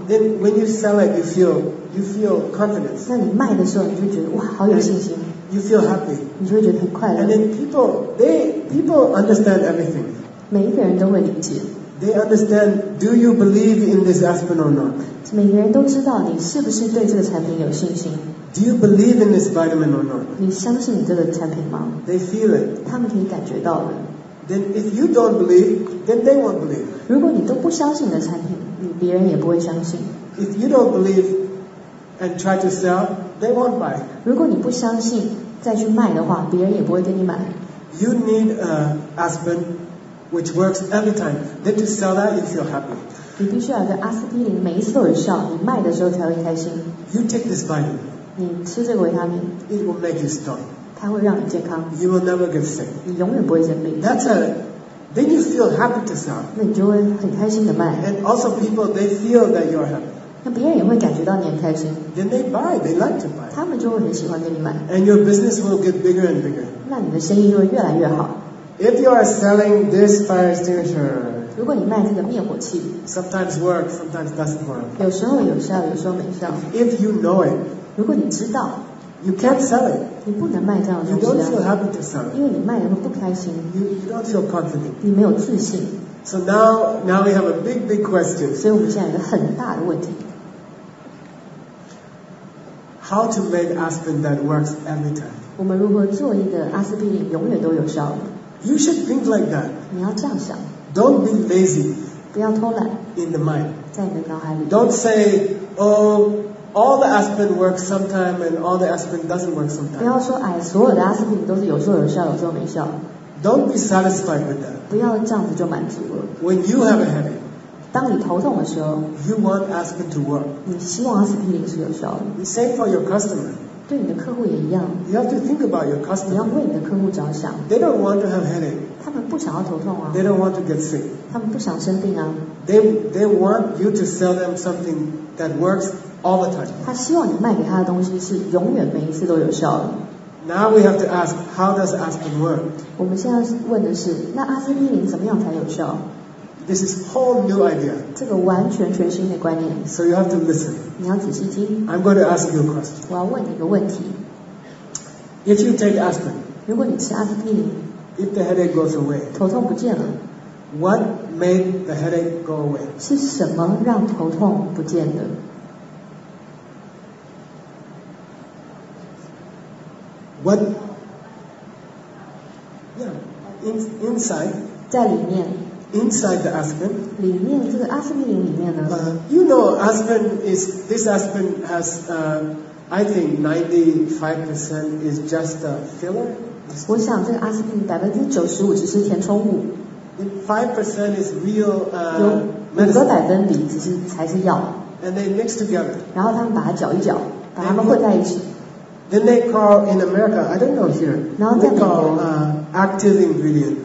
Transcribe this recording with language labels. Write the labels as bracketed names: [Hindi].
[English] Then when you sell it, you feel confidence. [Chinese] 那你卖的时候，你就觉得哇，好有信心。 [English] You feel happy. [Chinese] 你就会觉得很快乐。 [English] And then people understand everything. [Chinese] 每一个人都会理解。 [English] They understand. Do you believe in this aspirin or not? [Chinese] 每个人都知道你是不是对这个产品有信心。 [English] Do you believe in this vitamin or not? [Chinese] 你相信你这个产品吗 [English] ？They feel it. [Chinese] 他们可以感觉到的。 [English] Then if you don't believe, then they won't believe. [Chinese] 如果你都不相信你的产品，别人也不会相信。 [English] If you don't believe and try to sell, they won't buy. [Chinese] 如果你不相信再去卖的话，别人也不会跟你买。 [English] You need a aspirin which works every time. Then to sell that, you feel happy. [Chinese] 你必须要跟阿司匹林每一次都有效，你卖的时候才会开心。 [English] You take this vitamin. [Chinese] 你吃这个维他命。 [English] It will make you strong. [Chinese] 它会让你健康。 [English] You will never get sick. [Chinese] 你永远不会生病。 [English] That's a, then you feel happy to sell. [Chinese] 那你就会很开心的卖。 [English] And also people, they feel that you are happy. [Chinese] 那别人也会感觉到你很开心。 [English] Then they buy, they like to buy. [Chinese] 他们就会很喜欢跟你买。 [English] And your business will get bigger and bigger. [Chinese] 那你的生意就会越来越好。 [English] If you are selling this fire extinguisher, [Chinese] 如果你卖这个灭火器， [English] sometimes work, sometimes doesn't work. [Chinese] 有时候有效，有时候没效。 [English] If you know it, [Chinese] 如果你知道。 [English] You can't sell it. [Chinese] 你不能卖这样的东西啊。 [English] You don't feel happy to sell it. [Chinese] 因为你卖了会不开心。 [English] You don't feel confident. [Chinese] 你没有自信。 [English] So now we have a big, big question. [Chinese] 所以我们现在有一个很大的问题。 [English] How to make aspirin that works every time? [Chinese] 我们如何做一个阿司匹林永远都有效的？ [English] You should think like that. [Chinese] 你要这样想。 [English] Don't be lazy. [Chinese] 不要偷懒。 [English] In the mind. [Chinese] 在你的脑海里。 [English] Don't say, oh. All the aspirin works sometime and all the aspirin doesn't work sometime. [Chinese] 不要说哎，所有的阿司匹林都是有时候有效，有时候没效。 [English] Don't be satisfied with that. [Chinese] 不要这样子就满足了。 [English] When you have a headache, [Chinese] 当你头痛的时候， [English] you want aspirin to work. [Chinese] 你希望阿司匹林是有效的。 [English] Same for your customer. [Chinese] 对你的客户也一样。 [English] You have to think about your customer. [Chinese] 你要为你的客户着想。 [English] They don't want to have headache. [Chinese] 他们不想要头痛啊。 [English] They don't want to get sick. [Chinese] 他们不想生病啊。 [English] They want you to sell them something that works. All the time. [Chinese] 他希望你卖给他的东西是永远每一次都有效的。 [English] Now we have to ask, how does aspirin work? [Chinese] 我们现在问的是，那阿司匹林怎么样才有效？ [English] This is whole new idea. [Chinese] 这个完全全新的观念。 [English] So you have to listen. [Chinese] 你要仔细听。 [English] I'm going to ask you a question. [Chinese] 我要问你一个问题。 [English] If you take aspirin, [Chinese] 如果你吃阿司匹林， [English] if the headache goes away, [Chinese] 头痛不见了。 [English] What made the headache go away? [Chinese] 是什么让头痛不见的？ [English] What? Yeah, inside. [Chinese] 在里面。 [English] Inside the aspirin. [Chinese] 里面这个阿司匹林里面呢。 [English] You know, aspirin is this aspirin has, I think 95% is just a filler. [Chinese] 我想这个阿司匹林95%只是填充物。 [English] 5% is real. [Chinese] 5%只是才是药。 [English] And they mix together. [Chinese] 然后他们把它搅一搅，把它们混在一起。 [English] Then they call in America, I don't know here, they call active ingredient.